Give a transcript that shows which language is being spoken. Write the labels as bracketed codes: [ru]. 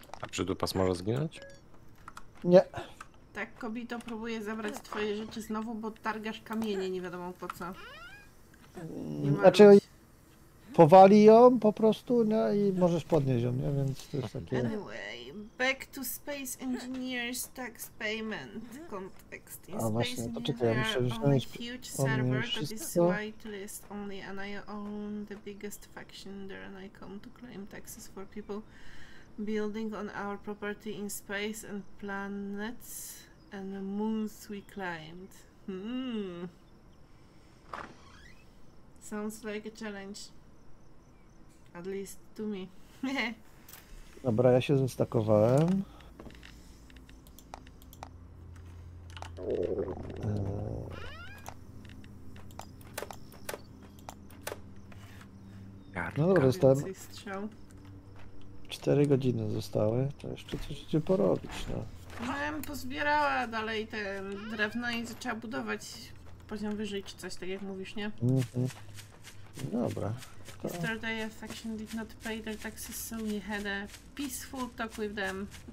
[pl] A przydupas może zginąć? Nie. Tak, kobito, próbuję zabrać twoje rzeczy znowu, bo targasz kamienie, nie wiadomo po co. Znaczy, powali ją po prostu, nie? I możesz podnieść ją, nie? Więc to jest takie... [en] Anyway, back to Space Engineers Tax Payment Context. In a space [pl] właśnie, to czekaj, myślę, że [en] only huge server that is whitelist only and I own the biggest faction there and I come to claim taxes for people building on our property in space and planets and the moons we climbed. Sounds like a challenge. At least to me. [pl] Dobra, ja się zestakowałem. No dobra, zostałem. 4 godziny zostały. To jeszcze coś idzie porobić, no. Ja bym pozbierała dalej te drewno i zaczęła budować poziom wyżej czy coś, tak jak mówisz, nie? Mhm. Dobra. [en] Yesterday a faction did not pay their taxes, so we had a peaceful talk with them.